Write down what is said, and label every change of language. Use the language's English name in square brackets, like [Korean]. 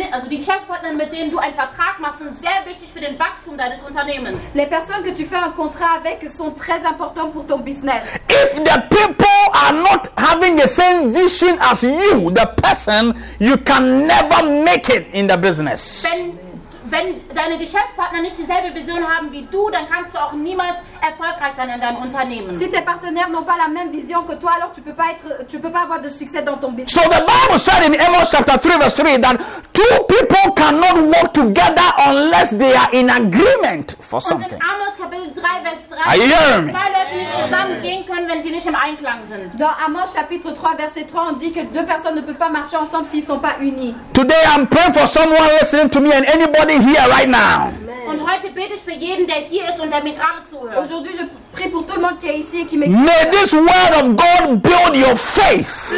[German] Die Geschäftspartner, mit denen du einen Vertrag machst, sind sehr wichtig für den Wachstum deines Unternehmens. [French] Les personnes que tu fais un contrat avec sont très importantes pour ton business. [English] If the people are not having the same vision as you, the person, you can never make it in the business. [German] Wenn deine Geschäftspartner nicht dieselbe Vision haben wie du, dann kannst du auch niemals erfolgreich sein in deinem Unternehmen. [French] Si tes partenaires n'ont pas la même vision que toi, alors tu peux pas avoir de succès dans ton business. [English] So the Bible said in Amos chapter 3 verse 3 that two people cannot work together unless they are in agreement for something. [German] Und in Amos Kapitel 3 verse 3 zwei Leute nicht zusammengehen können, wenn sie nicht im Einklang sind. [French] Dans Amos chapitre 3 verse 3 on dit que deux personnes ne peuvent pas marcher ensemble s'ils sont pas unis. [English] Today I'm praying for someone listening to me and anybody here right now. [German] Und heute bete ich für jeden, der hier ist und der mir gerade zuhört. [French] Aujourd'hui je prie pour tout le monde qui est ici et qui m'écoute. [English] May this word of God build your faith.